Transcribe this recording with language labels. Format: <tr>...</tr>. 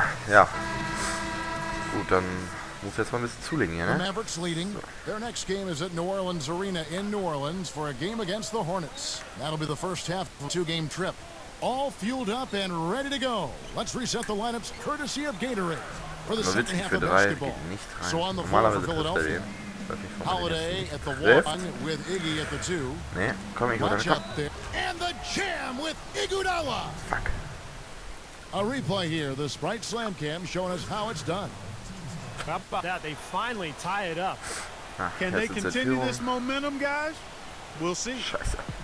<de>Ja. Gut, dann muss jetzt mal ein bisschen zulegen hier, ne?</de> <en>The Mavericks leading. Their next game is at New Orleans Arena in New Orleans for a game against the Hornets. That'll be the first half of a 2-game trip. All fueled up and ready to go. Let's reset the lineups courtesy of Gatorade.</en> <de>Nur witzig, für 3 geht nicht rein. Normalerweise trifft er den.</de> <en>Holiday at the 1 with Iggy at the 2.</en> <de>Nee, komm, ich hole den.</de> <en>And the jam with Iguodala. Fuck. A replay here, the Sprite Slam Cam showing us how it's done. That they finally tie it up. Can they continue this momentum, guys? We'll see. Scheiße.</en>